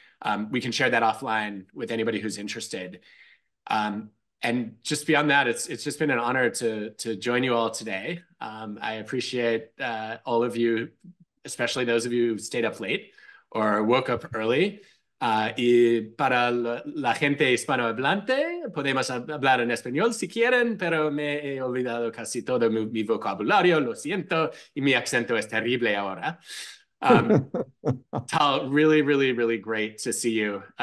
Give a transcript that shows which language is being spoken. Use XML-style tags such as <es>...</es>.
<en>And we can share that offline with anybody who's interested. And just beyond that, it's just been an honor to join you all today. I appreciate all of you, especially those of you who stayed up late or woke up early.</en> <es>Y para la gente hispanohablante, podemos hablar en español si quieren, pero me he olvidado casi todo mi vocabulario, lo siento, y mi acento es terrible ahora.</es> <en>Tal, really, really, really great to see you.</en>